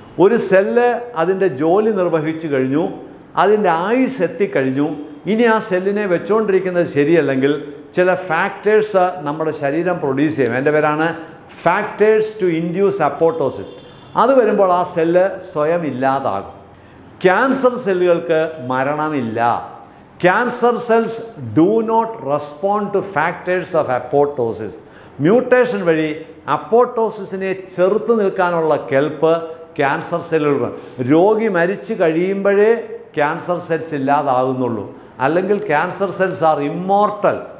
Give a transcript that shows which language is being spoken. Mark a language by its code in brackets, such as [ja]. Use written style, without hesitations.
[ml] ഒരു സെല്ല് അതിൻ്റെ ജോലി നിർവഹിച്ചു കഴിഞ്ഞു, അതിൻ്റെ ആയുസ് എത്തിക്കഴിഞ്ഞു, ഇനി ആ സെല്ലിനെ വെച്ചുകൊണ്ടിരിക്കുന്നത് ശരിയല്ലെങ്കിൽ ചില ഫാക്ടേഴ്സ് നമ്മുടെ ശരീരം പ്രൊഡ്യൂസ് ചെയ്യും. എൻ്റെ പേരാണ് ഫാക്ടേഴ്സ് ടു ഇൻഡ്യൂസ് അപ്പോട്ടോസിസ്. അത് വരുമ്പോൾ ആ സെല്ല് സ്വയം ഇല്ലാതാകും. ക്യാൻസർ സെല്ലുകൾക്ക് മരണമില്ല. [en] Cancer cells do not respond to factors of apoptosis. [ml] Mutation വഴി അപ്പോട്ടോസിസിനെ ചെറുത്തു നിൽക്കാനുള്ള കെൽപ്പ് ക്യാൻസർ സെല്ലുകൾ. രോഗി മരിച്ചു കഴിയുമ്പോഴേ ക്യാൻസർ സെൽസ് ഇല്ലാതാകുന്നുള്ളൂ, അല്ലെങ്കിൽ [en] Cancer cells are immortal.